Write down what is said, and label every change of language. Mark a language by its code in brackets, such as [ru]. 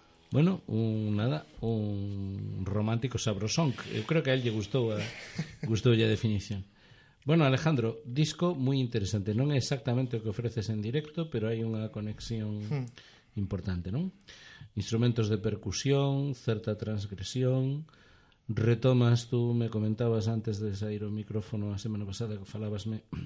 [es] Bueno, un romántico sabrosón. Yo creo que a él le gustó, gustó ya definición. Bueno, Alejandro, disco muy interesante. [gl] Non é exactamente o que ofreces en directo, pero hai unha conexión importante, non? Instrumentos de percusión, certa transgresión, retomas, [es] tú me comentabas [gl] antes de sair o micrófono a semana pasada que falabasme...